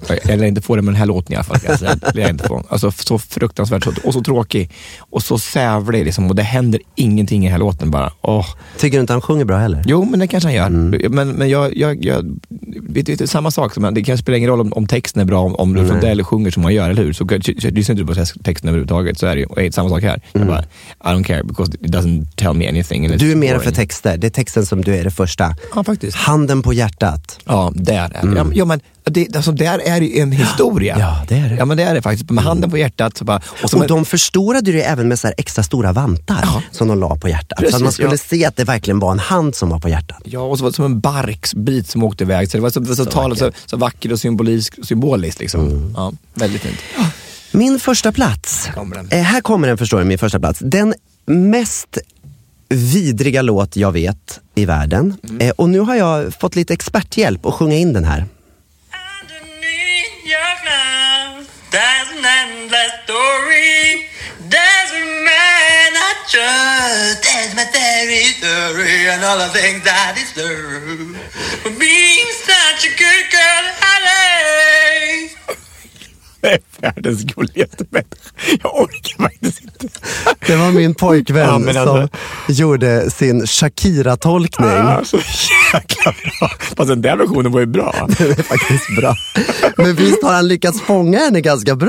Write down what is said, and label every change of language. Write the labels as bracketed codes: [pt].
[sv] Eller inte får det med den här låten i alla fall, alltså, jag inte får. Alltså så fruktansvärt så, och så tråkig och så sävlig liksom, och det händer ingenting i den här låten bara. Åh. Tycker du inte han sjunger bra heller? Jo, men det kanske han gör. Men jag vet inte, samma sak som, det kanske spelar ingen roll om texten är bra, om du får del sjunger som han gör, eller hur? Så lyssnar inte du på texten överhuvudtaget, så är det ju, och det är samma sak här. Jag bara, [en] I don't care because it doesn't tell me anything. [sv] Du är mer för texter. Det är texten som du är det första. Ja, faktiskt. Handen på hjärtat. Ja, där är det. Jo, men där är ju en historia. Ja, det är det. Ja, men det är det faktiskt. Med handen på hjärtat. Så bara, och de förstorade det även med så här extra stora vantar som de la på hjärtat. Precis, så att man skulle se att det verkligen var en hand som var på hjärtat. Ja, och så var det som en barksbit som åkte iväg. Så det var så vackert och symboliskt. Liksom. Ja, väldigt fint. Min första plats. Här kommer den, förstår jag, min första plats. Den mest vidriga låt jag vet i världen. Mm. Och nu har jag fått lite experthjälp att sjunga in den här. [en] There's an endless story. There's a man I trust. There's my territory and all the things that is through. For being such a good girl, Alex. [sv] Världens gulligaste människa. Jag orkar faktiskt inte. Det var min pojkvän som gjorde sin Shakira-tolkning. Så jäkla bra. Fast den där versionen var ju bra. Det är faktiskt bra. Men visst har han lyckats fånga henne ganska bra.